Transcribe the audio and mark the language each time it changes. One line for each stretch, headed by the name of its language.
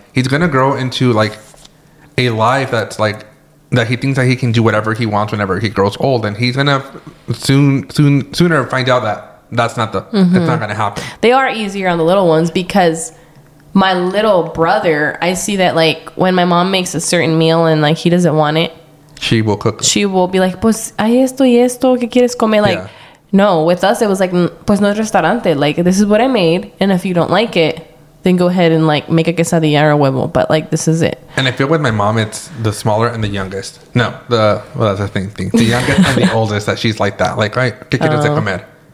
English: He's going to grow into like a life that's like, that he thinks that he can do whatever he wants whenever he grows old, and he's gonna sooner find out that that's not the it's not gonna happen. They are easier on the little ones because my little brother, I see that like when my mom makes a certain meal and like he doesn't want it, she will cook. She will be like,
Spanish: pues hay esto y esto, ¿qué quieres comer?
English: Like, yeah. No, with us it was like,
Spanish: pues no restaurante,
English: like this is what I made, and if you don't like it, then go ahead and like make a quesadilla or a huevo, but like this is it. And I feel with my mom, it's the smaller and the youngest. No, the, well, that's the thing. The youngest and the oldest, that she's like that. Like, right,
Spanish: ¿qué quieres de comer?